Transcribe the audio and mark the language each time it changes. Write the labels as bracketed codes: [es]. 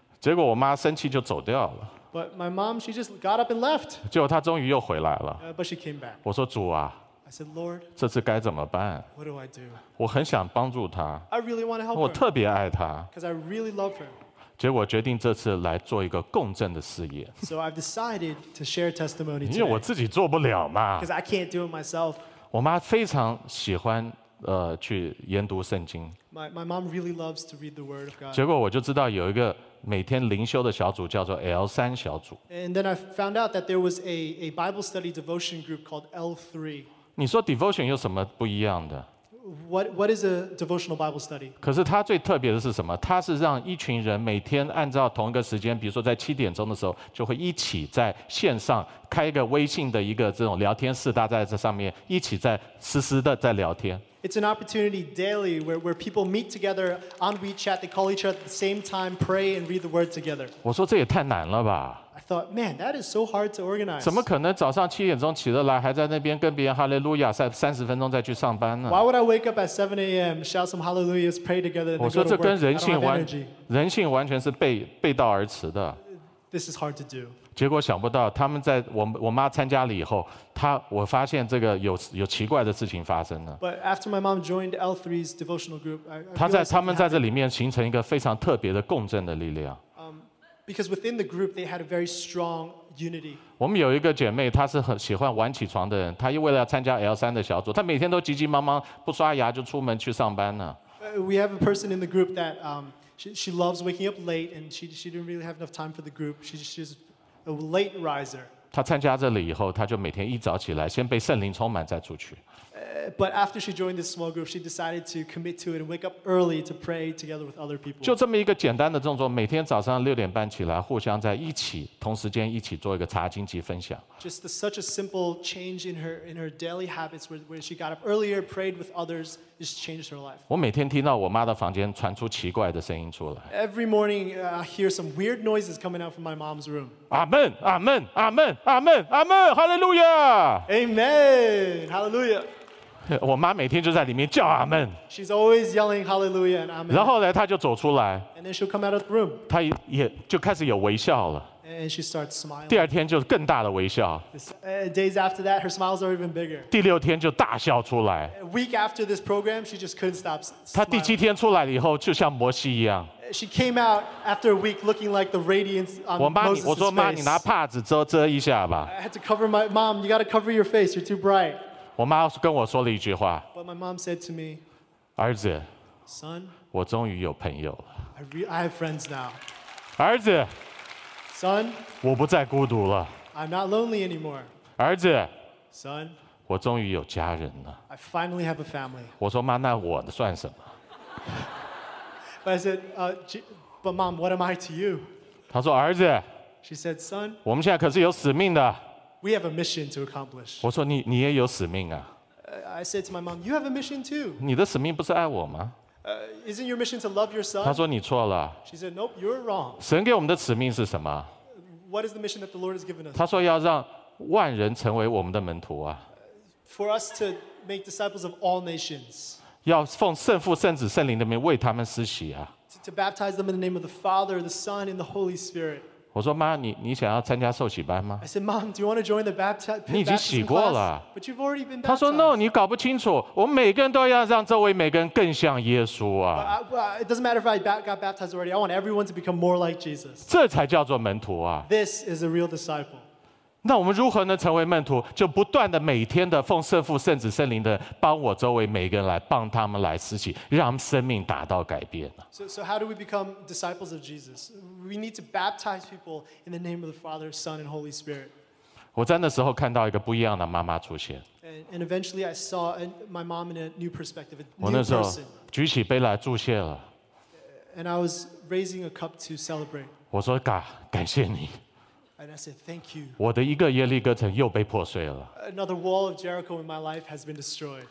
[zh] 结果我妈生气就走掉了。 [en] But my mom, she just got up and left. [zh] 结果她终于又回来了。 [en] But she came back. [zh] 我说主啊。 [en] I said, Lord. [zh] 这次该怎么办 [en] ？What do I do? [zh] 我很想帮助她。 [en] I really want to help her. [zh] 我特别爱她。 [en] Because I really love her. [zh] 结果决定这次来做一个共振的事业。 [en] So I've decided to share testimony. [zh] 因为我自己做不了嘛。 [en] Because I can't do it myself. [zh] 我妈非常喜欢去研读圣经。 [en] My mom really loves to read the word of God. [zh] 结果我就知道有一个。每天灵修的小组叫做 L3 小组。 [en] And then I found out that there was a Bible study devotion group called L3. [zh] 你说 devotion 有什么不一样的？ [en] What is a devotional Bible study? [zh] 可是它最特别的是什么？它是让一群人每天按照同一个时间，比如说在七点钟的时候，就会一起在线上开一个微信的一个这种聊天室，大家在这上面一起在实时的在聊天。 [en] It's an opportunity daily where people meet together on WeChat. They call each other at the same time, pray and read the word together. [zh] 我说这也太难了吧。 [en] I thought, man, that is so hard to organize. [zh] 怎么可能早上七点钟起得来，还在那边跟别人哈利路亚，再三十分钟再去上班呢 [en] ？Why would I wake up at 7 a.m. shout some hallelujahs, pray together? [zh] 我说这跟人性完全是背道而驰的。 [en] This is hard to do. [zh] 结果想不到，他们在我妈参加了以后，我发现这个有奇怪的事情发生了。 [en] But after my mom joined L3's devotional group, [zh] 他们在这里面形成一个非常特别的共振的力量。 [en] Because within the group they had a very strong unity. [zh] 我们有一个姐妹，她是很喜欢晚起床的人，她又为了参加 L3 的小组，她每天都急急忙忙不刷牙就出门去上班了。 [en] We have a person in the group that She loves waking up late, and she didn't really have enough time for the group. She's a late riser. [zh] 她参加这里以后，她就每天一早起来，先被圣灵充满，再出去。 [en] But after she joined this small group, she decided to commit to it and wake up early to pray together with other people. [zh] 就这么一个简单的动作，每天早上六点半起来，互相在一起，同时间一起做一个查经及分享。 [en] Just such a simple change in her daily habits, where she got up earlier, prayed with others, just changed her life. [zh] 我每天听到我妈的房间传出奇怪的声音出来。 [en] Every morning, I hear some weird noises coming out from my mom's room. Amen, amen, amen, amen, amen, hallelujah. Amen, hallelujah. [zh] 我妈每天就在里面叫阿们。 [en] She's always yelling hallelujah and amen. [zh] 然后呢，她就走出来。 [en] And then she'll come out of the room. [zh] 她也就开始有微笑了。 [en] And she starts smiling. [zh] 第二天就更大的微笑。 [en] Days after that, her smiles are even bigger. [zh] 第六天就大笑出来。 [en] Week after this program, she just couldn't stop smiling. [zh] 她第七天出来了以后，就像摩西一样。 [en] She came out after a week looking like the radiance on Moses' face. [zh] 我说妈，你拿帕子遮一下吧。 [en] I had to cover my mom. You got to cover your face. You're too bright. [zh] 我妈跟我说了一句话 [en] But my mom said to me, [zh] 儿子 [en] Son, [zh] 我终于有朋友了 [en] I have friends now [zh] 儿子 [en] Son, [zh] 我不再孤独了 [en] I'm not lonely anymore [zh] 儿子 [en] Son, [zh] 我终于有家人了 [en] I finally have a family [zh] 我说妈那我算什么 [en] But I said, but mom, what am I to you? [zh] 她说儿子 [en] She said, Son, [zh] 我们现在可是有使命的 [en] We have a mission to accomplish. [zh] 我说你也有使命啊。 [en] I said to my mom, "You have a mission too." [zh] 你的使命不是爱我吗？ [en] Isn't your mission to love your son? [zh] 她说你错了。 [en] She said, "Nope, you're wrong." [zh] 神给我们的使命是什么 [en] ？What is the mission that the Lord has given us? [zh] 她说要让万人成为我们的门徒啊。 [en] For us to make disciples of all nations. [zh] 要奉圣父、圣子、圣灵的名为他们施洗啊。 [en] To baptize them in the name of the Father, the Son, and the Holy Spirit. [zh] 我说妈，你想要参加受洗班吗 [en] ？I said, Mom, do you want to join the baptism? [zh] 你已经洗过了。 [en] But you've already been baptized. [zh] 他说 [en] No, [zh] 你搞不清楚，我们每个人都要让周围每个人更像耶稣啊。 [en] It doesn't matter if I got baptized already. I want everyone to become more like Jesus. [zh] 这才叫做门徒啊。 [en] This is a real disciple. [zh] 那我们如何能成为门徒？就不断的每天的奉圣父、圣子、圣灵的帮我周围每个人来帮他们来施洗，让生命达到改变。 [en] So how do we become disciples of Jesus? We need to baptize people in the name of the Father, Son, and Holy Spirit. [zh] 我在那时候看到一个不一样的妈妈出现。 [en] And eventually, I saw my mom in a new perspective, a new person. [zh] 我那时候举起杯来祝谢了。 [en] And I was raising a cup to celebrate. [zh] 我说感谢你。 [en] And I said, thank you. [zh] 我的一个耶利哥城又被破碎了。 [en] Another wall of Jericho in my life has been destroyed.